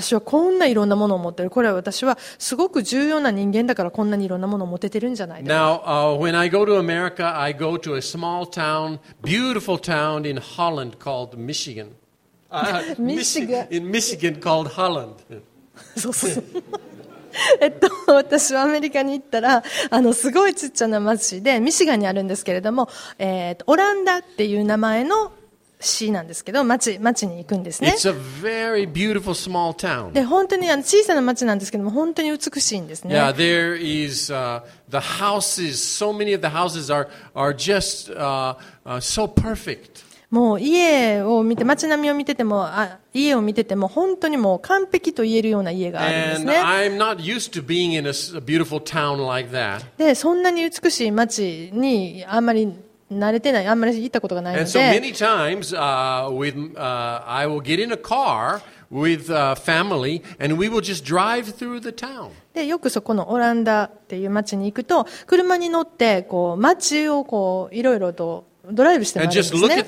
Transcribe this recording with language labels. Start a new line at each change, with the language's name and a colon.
Japanese: 私はこんないろんなものを持っている。これは私はすごく重要な人間だからこんなにいろんなものを持ててるんじゃないだろう。
English: Now, when I go to America, I go to a small town, beautiful town in Holland called Michigan. Michigan called Holland.
Japanese: そうそう。私はアメリカに行ったらすごいちっちゃな町でミシガンにあるんですけれども、オランダっていう名前の市なんですけど町に行くんですね。
English: It's a very beautiful small town.
Japanese: で本当に小さな町なんですけども本当に美しいんですね。
English: Yeah, there is, the houses, so many of the houses are just, so perfect.
Japanese: もう家を見て街並みを見てても家を見てても本当にもう完璧と言えるような家があるんですね。
English: And I'm not used to being in a beautiful town like that.
Japanese: でそんなに美しい街にあんまり慣れてないあんまり行ったことがないので
English: And so many times, I will get in a car with family and we will just drive through the town.
Japanese: でよくそこのオランダっていう街に行くと車に乗ってこう街をこういろいろとドライブして回るんですね。